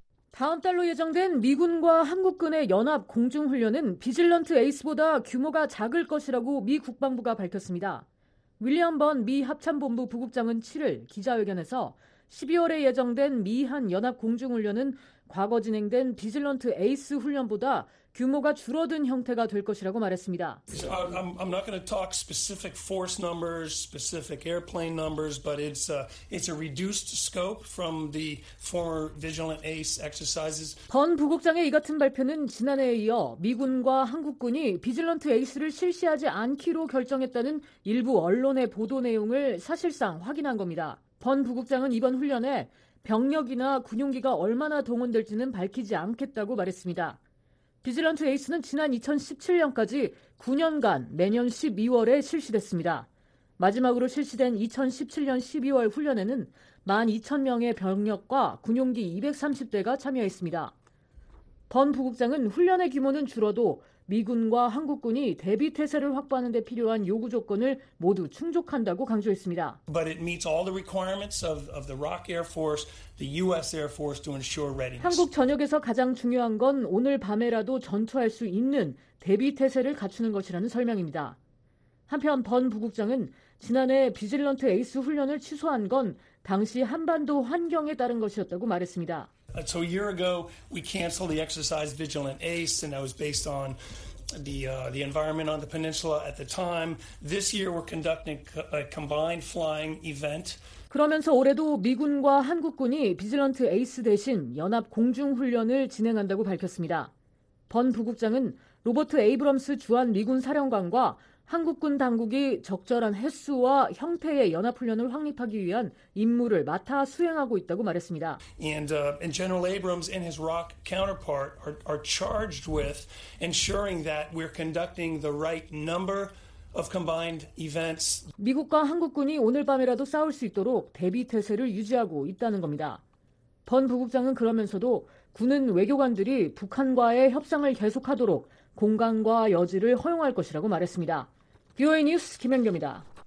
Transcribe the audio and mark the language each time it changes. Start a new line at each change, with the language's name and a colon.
Korean: 다음 달로 예정된 미군과 한국군의 연합 공중훈련은 비질런트 에이스보다 규모가 작을 것이라고 미 국방부가 밝혔습니다. 윌리엄 번 미 합참본부 부국장은 7일 기자회견에서 12월에 예정된 미한 연합 공중훈련은 과거 진행된 비질런트 에이스 훈련보다 규모가 줄어든 형태가 될 것이라고 말했습니다.
English: I'm not going to talk specific force numbers, specific airplane numbers, but it's a reduced scope from the former Vigilant Ace exercises.
Korean: 번 부국장의 이 같은 발표는 지난해에 이어 미군과 한국군이 비질런트 에이스를 실시하지 않기로 결정했다는 일부 언론의 보도 내용을 사실상 확인한 겁니다. 번 부국장은 이번 훈련에 병력이나 군용기가 얼마나 동원될지는 밝히지 않겠다고 말했습니다. 비질런트 에이스는 지난 2017년까지 9년간 매년 12월에 실시됐습니다. 마지막으로 실시된 2017년 12월 훈련에는 12,000명의 병력과 군용기 230대가 참여했습니다. 번 부국장은 훈련의 규모는 줄어도 미군과 한국군이 대비 태세를 확보하는 데 필요한 요구 조건을 모두 충족한다고 강조했습니다.
English: But it meets all the requirements of the ROC Air Force, the US Air Force to ensure readiness.
Korean: 한국 전역에서 가장 중요한 건 오늘 밤에라도 전투할 수 있는 대비 태세를 갖추는 것이라는 설명입니다. 한편 번 부국장은 지난해 비질런트 에이스 훈련을 취소한 건 당시 한반도 환경에 따른 것이었다고 말했습니다.
English: So a year ago, we canceled the exercise Vigilant Ace, and that was based on the environment on the peninsula at the time. This year, we're conducting a combined flying event.
Korean: 그러면서 올해도 미군과 한국군이 비질런트 에이스 대신 연합 공중훈련을 진행한다고 밝혔습니다. 번 부국장은 로버트 에이브럼스 주한 미군 사령관과 한국군 당국이 적절한 횟수와 형태의 연합훈련을 확립하기 위한 임무를 맡아 수행하고 있다고 말했습니다.
English: And General Abrams and his ROC counterpart are charged with ensuring that we're conducting the right number of combined events.
Korean: 미국과 한국군이 오늘 밤이라도 싸울 수 있도록 대비태세를 유지하고 있다는 겁니다. 번 부국장은 그러면서도 군은 외교관들이 북한과의 협상을 계속하도록 공간과 여지를 허용할 것이라고 말했습니다. VOA 뉴스 김현경입니다.